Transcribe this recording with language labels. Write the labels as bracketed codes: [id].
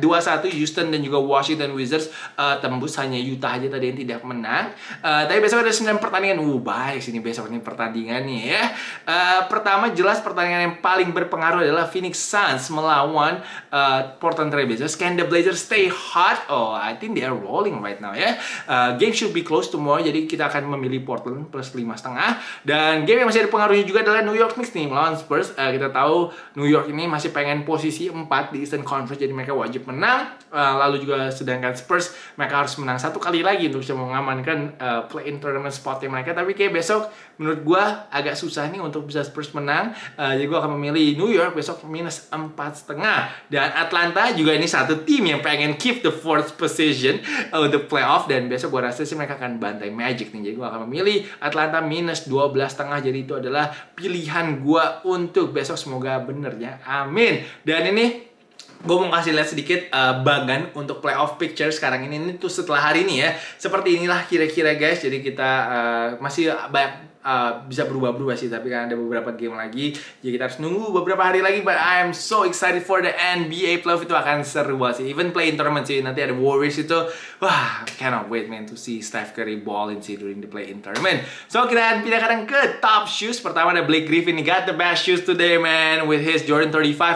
[id] 2-1 Houston dan juga Washington Wizards tembus. Hanya Utah aja tadi yang tidak menang. Tapi besok ada 9 pertandingan. Baik sini besok ini pertandingannya ya. Pertama jelas pertandingan yang paling berpengaruh adalah Phoenix Suns melawan Portland Trail Blazers. [en] Can the Blazers stay hot? Oh, I think they are rolling right now ya. Game should be close tomorrow. [id] Jadi kita akan memilih Portland plus 5.5. Dan game yang masih ada pengaruhnya juga adalah New York Knicks nih melawan Spurs. Kita tahu New York ini masih pengen posisi 4 di Eastern Conference. Jadi mereka wajib menang. Lalu juga sedangkan Spurs, mereka harus menang satu kali lagi untuk bisa mengamankan play-in tournament spotnya mereka. Tapi kayak besok menurut gue agak susah nih untuk bisa Spurs menang. Jadi gue akan memilih New York besok minus 4.5. Dan Atlanta juga ini satu tim yang pengen [en] keep the fourth position [id] untuk playoff. Dan besok gue rasa sih mereka akan bantai Magic nih. Jadi gue akan memilih Atlanta minus 12.5. Jadi itu adalah pilihan gue untuk besok. Semoga bener ya. Amin. Dan ini gue mau kasih lihat sedikit bagan untuk playoff picture sekarang ini tuh setelah hari ini ya. Seperti inilah kira-kira guys. Jadi kita masih banyak bisa berubah-ubah sih, tapi kan ada beberapa game lagi. Jadi kita harus nunggu beberapa hari lagi. [en] But I am so excited for the NBA playoff. [id] Itu akan seru banget sih. Even play in tournament sih, nanti ada Warriors itu. Wah, [en] cannot wait man to see Steph Curry balling [id] sih during the play in tournament. So kita akan pindah kadang ke top shoes. Pertama ada [en] Blake Griffin, he got the best shoes today man, with his Jordan 35.